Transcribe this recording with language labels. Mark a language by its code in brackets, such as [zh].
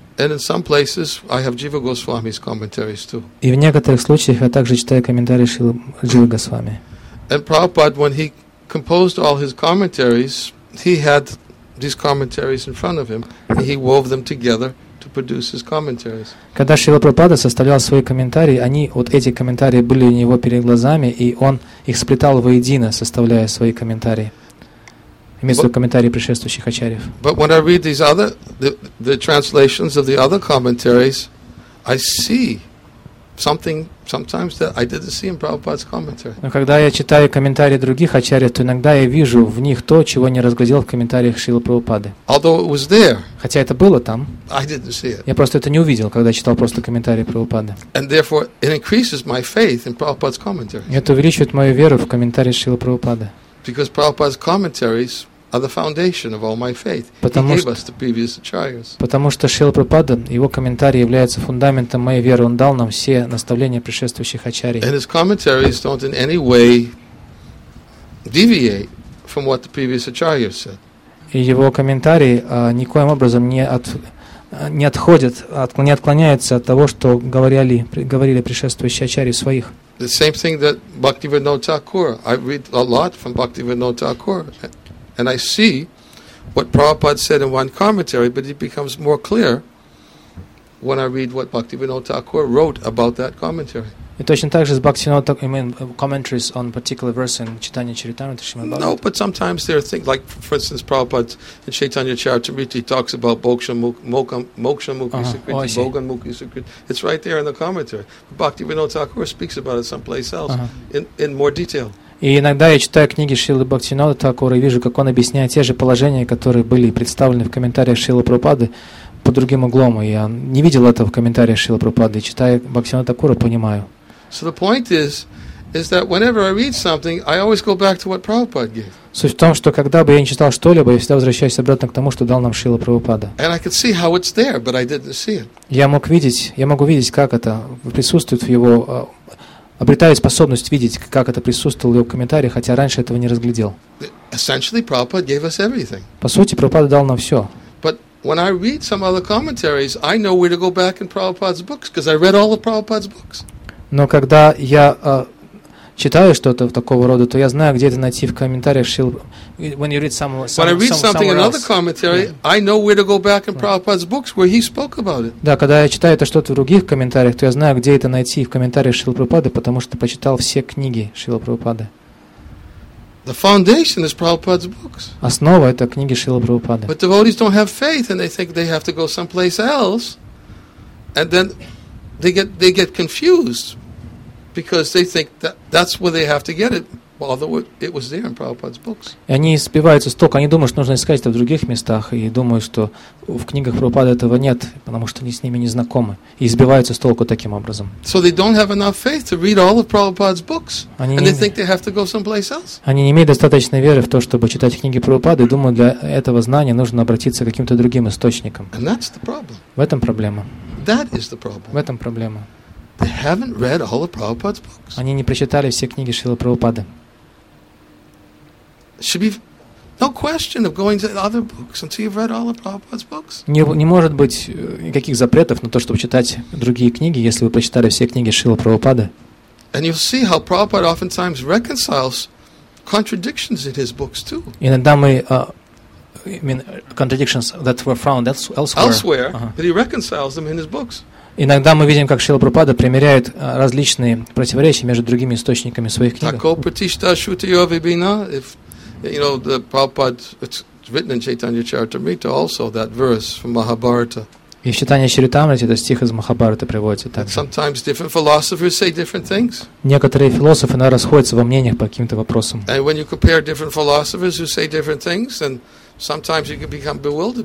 [en] And in some places, I have Jiva Goswami's commentaries too. [ru] И в некоторых случаях я также читаю комментарии Шрилы Джива Госвами. [en] And Prabhupada, when he composed all his commentaries, he had these commentaries in front of him, and he wove them together to produce his commentaries. [ru] Когда Шрила Прабхупада составлял свои комментарии, они вот эти комментарии были у него перед глазами, и он их сплетал воедино, составляя свои комментарии. Вместо комментарии предшествующих ачарьев. [en] But when I read these other the translations of the other commentaries, I see something sometimes that I didn't see in Prabhupada's commentary. [ru] Но когда я читаю комментарии других ачарьев, то иногда я вижу в них то, чего не разглядел в комментариях Шрилы Прабхупады. [en] Although it was there. [ru] Хотя это было там. [en] I didn't see it. [ru] Я просто это не увидел, когда читал просто комментарии Прабхупады. [en] And therefore it increases my faith in Prabhupada's commentary. [ru] Это увеличивает мою веру в комментарии Шрилы Прабхупады. [en] Because Prabhupada's commentaries are the foundation of all my faith. [ru] Потому [en] He gave us the previous acharyas. [ru] Потому что Шрила Прабхупада, его комментарии являются фундаментом моей веры. Он дал нам все наставления предшествующих ачарий. [en] And his commentaries don't in any way deviate from what the previous acharyas said. [ru] И его комментарии никоим образом не отклоняются от того, что говорили предшествующие ачарьи своих. [en] The same thing that Bhaktivinoda Thakur. I read a lot from Bhaktivinoda Thakur. And I see what Prabhupada said in one commentary, but it becomes more clear when I read what Bhaktivinoda Thakur wrote about that commentary. [ru] И точно так же с Бхактивинода Такура, [en] commentaries on particular verse in Chaitanya Charitamrita. No, but sometimes there are things, like for instance, Prabhupada in Chaitanya Charitamrita, he talks about Moksha Mukhi Sukriti, Bhogan Mukhi Sukriti. It's right there in the commentary. Bhaktivinoda Thakura speaks about it someplace else in more detail. [ru] И иногда я читаю книги Шрилы Бхактивинода Такура и вижу, как он объясняет те же положения, которые были представлены в комментариях Шрилы Прабхупады по другим углом. Я не видел этого в комментариях Шрилы Прабхупады. Читая Бхактивинода Такура, понимаю. [en] So the point is that whenever I read something, I always go back to what Prabhupada gave. [ru] Суть в том, что когда бы я не читал что-либо, я всегда возвращаюсь обратно к тому, что дал нам Шрила Прабхупада. [en] And I could see how it's there, but I didn't see it. [ru] Я могу видеть, как это присутствует в его... обретаю способность видеть, как это присутствовало в его комментарии, хотя раньше этого не разглядел. [en] Essentially, Prabhupada gave us everything. [ru] По сути, Прабхупада дал нам все. [en] But when I read some other commentaries, I know where to go back in Prabhupada's books, because I read all of Prabhupada's books. [ru] Но когда я читаю что-то такого рода, то я знаю, где это найти в комментариях Шрилы. [en] When you read when I read something in another commentary, I know where to go back in Prabhupada's books where he spoke about it. [ru] Да, когда я читаю это что-то в других комментариях, то я знаю, где это найти в комментариях Шрилы Прабхупады, потому что почитал все книги Шрилы Прабхупады. [en] The foundation is Prabhupada's books. [ru] Основа — это книги Шрилы Прабхупады. [en] But devotees don't have faith and they think they have to go someplace else, and then they get confused. Because they think that's where they have to get it, although it was there in Prabhupada's books. [ru] Они сбиваются с толку, они думают, что нужно искать это в других местах, и думают, что в книгах Прабхупады этого нет, потому что они с ними не знакомы, и сбиваются с толку таким образом. [en] So they don't have enough faith to read all of Prabhupada's books, and they think they have to go someplace else. [ru] Они не имеют достаточной веры в то, чтобы читать книги Прабхупады, и думают, для этого знания нужно обратиться к каким-то другим источникам. [en] And that's the problem. [ru] В этом проблема. [en] That is the problem. [ru] В этом проблема. [en] They haven't read all of Prabhupada's books. [ru] Они не прочитали все книги Шрилы Прабхупады. [en] Should be no question of going to other books until you've read all of Prabhupada's books. [ru] Не может быть никаких запретов на то, чтобы читать другие книги, если вы прочитали все книги Шрилы Прабхупады. [en] And you'll see how Prabhupada oftentimes reconciles contradictions in his books too. [ru] Иногда мы [en] contradictions that were found elsewhere. But he reconciles them in his books. [ru] Иногда мы видим, как Шрила Прабхупада примеряет различные противоречия между другими источниками своих книг. [sa] Тако пратишта шрути йовибина, [en] if you know the Prabhupada, it's written in Chaitanya Charitamrita also that verse from Mahabharata. [ru] И в Чайтанья Чаритамрите это стих из Махабхараты приводится так. [en] Sometimes different philosophers say different things. [ru] Некоторые философы иногда расходятся во мнениях по каким-то вопросам. [en] And when you compare different philosophers who say different things, then sometimes you can become bewildered.